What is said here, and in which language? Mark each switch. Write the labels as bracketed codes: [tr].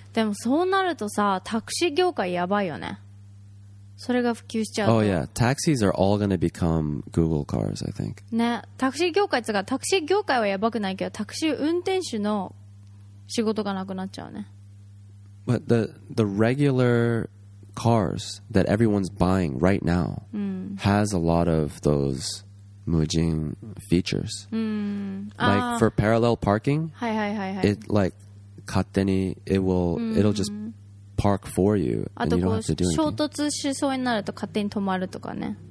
[ja] でもそうなるとさ、タクシー業界やばいよね。それが普及しちゃうと。 [en] Oh yeah, taxis are all going to become Google cars, I think. [ja] ね、タクシー業界つか、タクシー業界はやばくないけど、タクシー運転手の仕事がなくなっちゃうね。 [en] But the regular cars that everyone's buying right now has a lot of those 無人 features. Like for parallel parking, [ja] はい、 [en] it like [ja] 勝手に [en] it'll just park for you and you don't have to do anything. [ja] 衝突しそうになると勝手に止まるとかね。